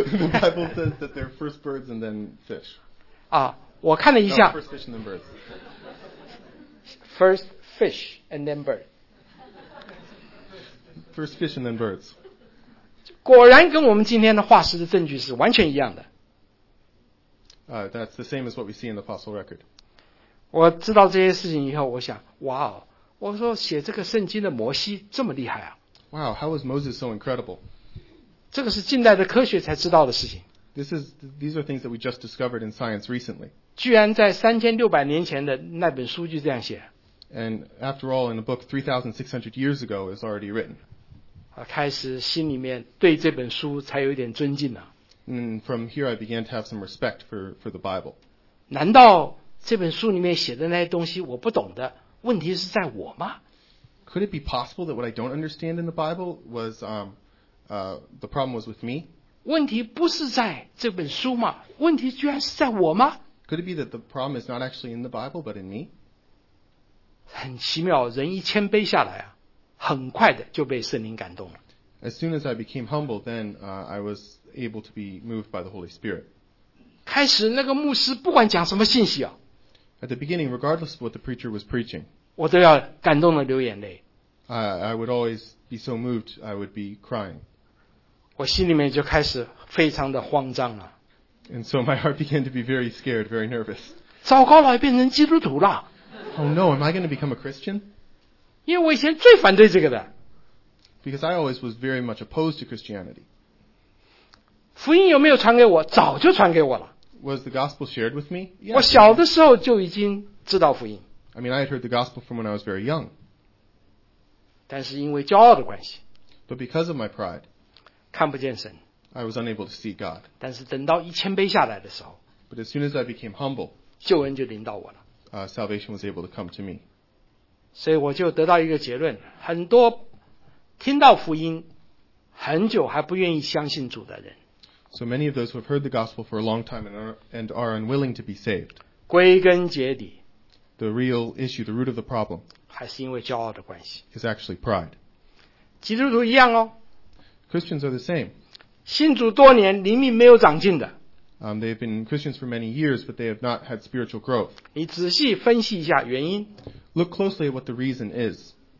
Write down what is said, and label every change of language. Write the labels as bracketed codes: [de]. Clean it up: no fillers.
[en] Bible says that there are first birds and then fish. [zh] 啊，我看了一下。 [en] No, first fish and then birds. First fish and then birds. First fish and then birds. [zh] 果然跟我们今天的化石的证据是完全一样的。 [en] That's the same as what we see in the fossil record. [zh] 我知道这些事情以后，我想，哇哦，我说写这个圣经的摩西这么厉害啊。 [en] Wow, how was Moses so incredible? [zh] 这个是近代的科学才知道的事情。 [en] These are things that we just discovered in science recently. [zh] 居然在3600年前的那本书就这样写。 [en] And after all, in a book 3600 years ago is already written. [zh] 开始心里面对这本书才有一点尊敬了。 [en] And from here, I began to have some respect for the Bible. [zh] 难道这本书里面写的那些东西我不懂的，问题是在我吗？ [en] Could it be possible that what I don't understand in the Bible was, the problem was with me? [zh] 问题不是在这本书吗？问题居然是在我吗？ [en] Could it be that the problem is not actually in the Bible, but in me? [zh] 很奇妙，人一谦卑下来啊，很快的就被圣灵感动了。 [en] As soon as I became humble, then, I was able to be moved by the Holy Spirit. [zh] 开始那个牧师不管讲什么信息啊。 [en] At the beginning, regardless of what the preacher was preaching, [zh] 我都要感动的流眼泪。 [en] I would always be so moved, I would be crying. [zh] 我心里面就开始非常的慌张了。 [en] And so my heart began to be very scared, very nervous. [zh] 糟糕了，变成基督徒了。 [en] Oh no, am I going to become a Christian? [zh] 因为我以前最反对这个的。 [en] Because I always was very much opposed to Christianity. [zh] 福音有没有传给我？早就传给我了。 [en] Was the gospel shared with me? Yeah, [zh] 我小的时候就已经知道福音。 [en] I mean, I had heard the gospel from when I was very young. [zh] 但是因为骄傲的关系。 [en] But because of my pride. [zh] 看不见神。 [en] I was unable to see God. [zh] 但是等到一谦卑下来的时候。 [en] But as soon as I became humble. [zh] 救恩就临到我了。 [en] Salvation was able to come to me. [zh] 所以我就得到一个结论，很多听到福音很久还不愿意相信主的人。 [en] So many of those who have heard the gospel for a long time and are unwilling to be saved. [zh] 归根结底。 [en] The real issue, the root of the problem. [zh] 还是因为骄傲的关系。 [en] Is actually pride. [zh] 基督徒一样哦。 [en] Christians are the same. [zh] 信主多年灵命没有长进的。 [en] They've been Christians for many years, but they have not had spiritual growth. [zh] 你仔细分析一下原因。 [en] Look closely at what the reason is.